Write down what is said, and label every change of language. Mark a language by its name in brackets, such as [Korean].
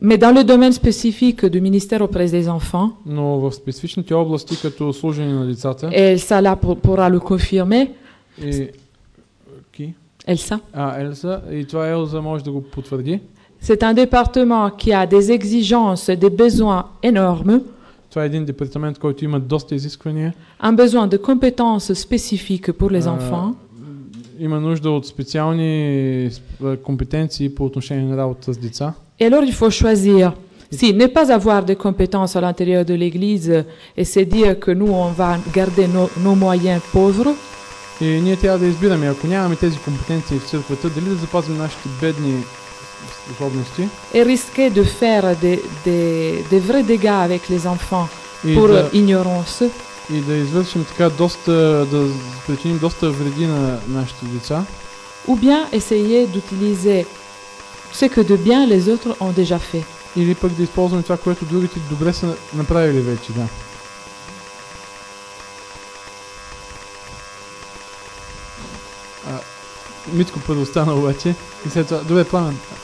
[French] Mais dans le domaine spécifique du ministère auprès des enfants. [Bulgarian] Но в специфичните области като служение на децата. [French] Elsa là pourra le confirmer. Qui? Elsa. [Bulgarian] Elsa, и това Елза може да го потвърди. [French] C'est un département qui a des exigences, des besoins énormes. [Bulgarian] Това е един департамент, който има доста изисквания. [French] Un besoin de compétences spécifiques pour les enfants. [Bulgarian] Има нужда от специални компетенции по отношение на работа с деца. [French] Et alors il faut choisir. Si, ne pas avoir des compétences à l'intérieur de l'église et se dire que nous on va garder nos moyens pauvres. [Bulgarian] И ние трябва да избираме, ако нямаме тези компетенции в църквата, дали да запазим нашите бедни [French] et risquer de faire des vrais dégâts avec les enfants pour ignorance. Et de [Bulgarian] извършим така доста да причиним доста вреди на нашите деца. [French] Ou bien essayer d'utiliser ce que de bien les autres ont déjà fait. [Bulgarian] Или пък да използваме това, което другите добре са направили вече, да. Митко първо стана обаче и след това добре Пламен.